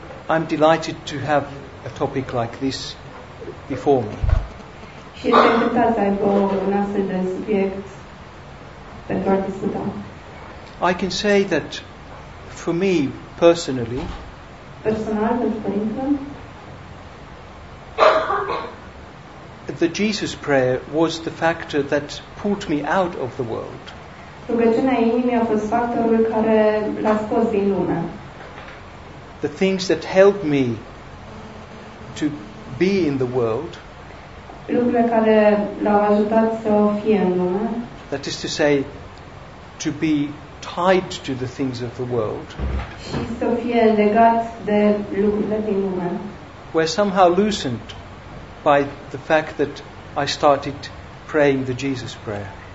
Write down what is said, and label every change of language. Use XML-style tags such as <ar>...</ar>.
<en>I'm delighted to have a topic like this before me.</en> <ro>Și este încântat să aibă un astfel de subiect pentru a discuta.</ro> <en>I can say that for me personally,</en> <ro>personal pentru părinte,</ro> <en>the Jesus prayer was the factor that pulled me out of the world.</en> <ro>Rugăciunea inimii a fost factorul care l-a scos din lume.</ro> <en>The things that helped me to be in the world,</en> <ro>lucrurile care l-au ajutat să fie în lume,</ro> <en>that is to say, to be tied to the things of the world,</en> <ro>și să fie legat de lucrurile din lume,</ro> <en>were somehow loosened by the fact that I started praying the Jesus prayer.</en>